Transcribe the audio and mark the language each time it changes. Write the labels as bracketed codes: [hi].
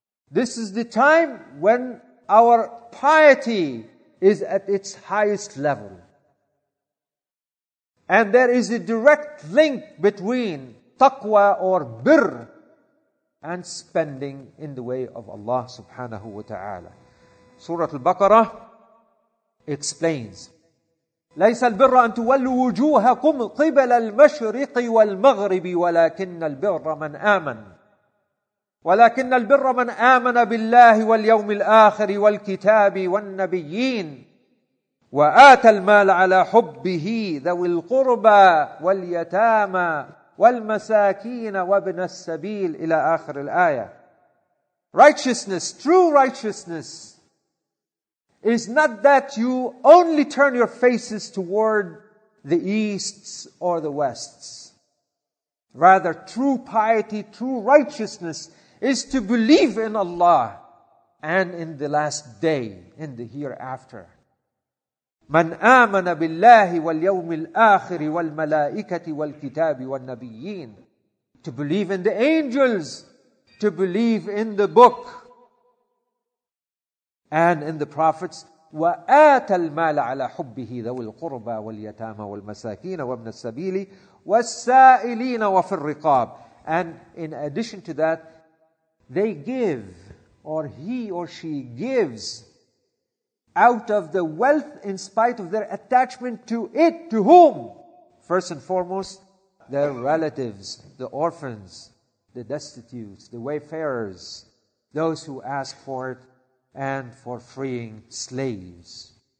[en] This is the time when our piety is at its highest level. And there is a direct link between taqwa or birr and spending in the way of Allah subhanahu wa ta'ala. Surah Al-Baqarah explains, [ar] لَيْسَ الْبِرَّ أَن تُوَلُّوا وُجُوهَكُمْ قِبَلَ الْمَشْرِقِ وَالْمَغْرِبِ وَلَكِنَّ الْبِرَّ مَنْ آمَنَ ولكن البر من آمن بالله واليوم الآخر والكتاب والنبيين وآتى المال على حبه ذوي القربى واليتامى والمساكين وابن السبيل إلى آخر الآية. [en] Righteousness, true righteousness, is not that you only turn your faces toward the easts or the wests. Rather, true piety, true righteousness is to believe in Allah and in the last day, in the hereafter. [ar] من آمن بالله واليوم الآخر والملائكة والكتاب والنبيين. [en] To believe in the angels, to believe in the book and in the prophets. [ar] وآت المال على حبه ذوي القربى واليتامى والمساكين وابن السبيل والسائلين وفي الرقاب. [en] And in addition to that, they give, or he or she gives, out of the wealth in spite of their attachment to it. To whom? First and foremost, their relatives, the orphans, the destitute, the wayfarers, those who ask for it, and for freeing slaves.